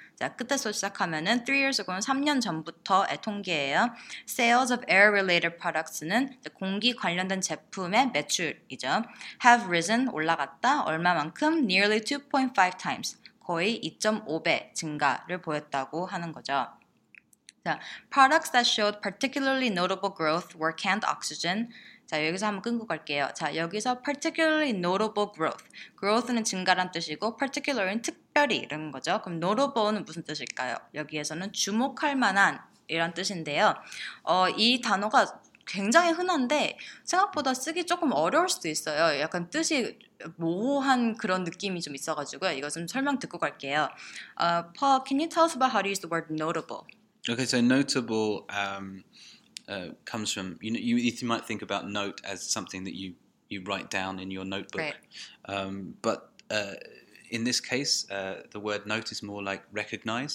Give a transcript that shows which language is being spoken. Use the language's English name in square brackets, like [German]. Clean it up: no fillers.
[Korean] 자 끝에서 시작하면은 [English] 3 years ago [Korean] 는 3년 전부터의 통계예요. [English] Sales of air-related products [Korean] 는 공기 관련된 제품의 매출이죠. [English] Have risen [Korean] 올라갔다 얼마만큼 [English] nearly 2.5 times. [Korean] 거의 2.5배 증가를 보였다고 하는 거죠. [English] 자, products that showed particularly notable growth were canned oxygen. [Korean] 자, 여기서 한번 끊고 갈게요. 자, 여기서 [English] particularly notable growth. [Korean] growth는 증가란 뜻이고 particularly는 특별히 이런 거죠. 그럼 notable는 무슨 뜻일까요? 여기에서는 주목할 만한 이런 뜻인데요. 이 단어가 굉장히 흔한데 생각보다 쓰기 조금 어려울 수도 있어요. 약간 뜻이 모호한 그런 느낌이 좀 있어가지고요. 이거 좀 설명 듣고 갈게요. [English] Paul, can you tell us about how to use the word notable? Okay, so notable comes from, you might think about note as something that you write down in your notebook. Right. But in this case, the word note is more like recognize